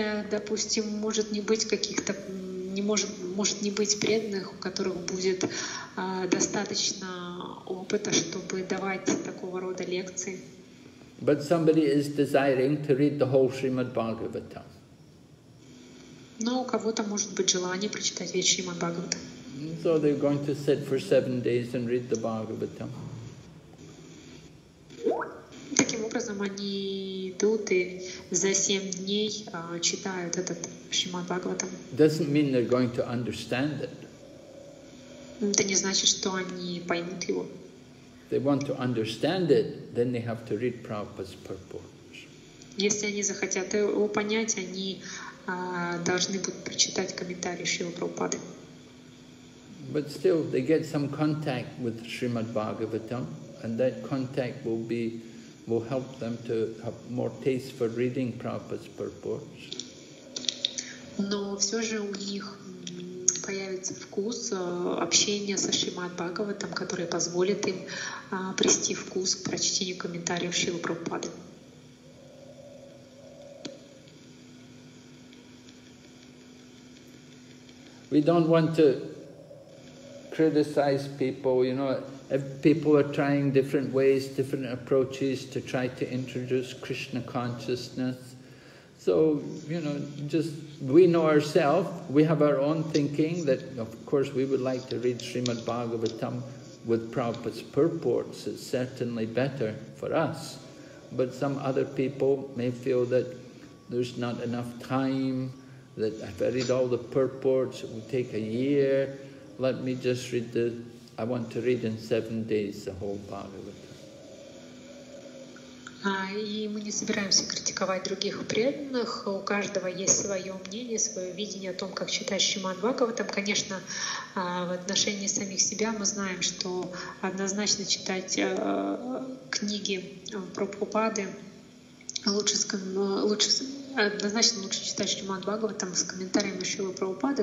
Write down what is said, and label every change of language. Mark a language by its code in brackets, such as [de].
[ru] Допустим, может не быть каких-то, может не быть преданных, у которых будет достаточно опыта, чтобы давать такого рода лекции. [en] But somebody is desiring to read the whole Srimad Bhagavatam. [ru] Но у кого-то может быть желание прочитать весь Шримад Бхагаватам. [en] So they're going to sit for 7 days and read the Bhagavatam. [ru] Таким образом, они идут и за 7 дней читают этот Шримад Бхагаватам. [en] Doesn't mean they're going to understand it. [ru] Это не значит, что они поймут его. [en] They want to understand it, then they have to read Prabhupada's purports. [ru] Если они захотят его понять, они должны будут прочитать комментарии Шрилы Прабхупады. [en] But still, they get some contact with Srimad Bhagavatam, and that contact will help them to have more taste for reading Prabhupada's purports. [ru] Но все же у них появится вкус общения со Шримад Бхагаватам, который позволит им прийти вкус к прочтению комментариев Шрилы Прабхупады. [en] We don't want to criticize people, you know. If people are trying different ways, different approaches to try to introduce Krishna consciousness. So, you know, just we know ourselves, we have our own thinking that, of course, we would like to read Srimad Bhagavatam with Prabhupada's purports. It's certainly better for us. But some other people may feel that there's not enough time, that I've read all the purports, it would take a year. Let me just read the, I want to read in 7 days the whole Bhagavatam. [ru] И мы не собираемся критиковать других преданных. У каждого есть свое мнение, свое видение о том, как читать Шримад Бхагаватам. Конечно, в отношении самих себя мы знаем, что однозначно читать книги Прабхупады лучше читать Шримад Бхагаватам с комментариями Шрилы Прабхупады.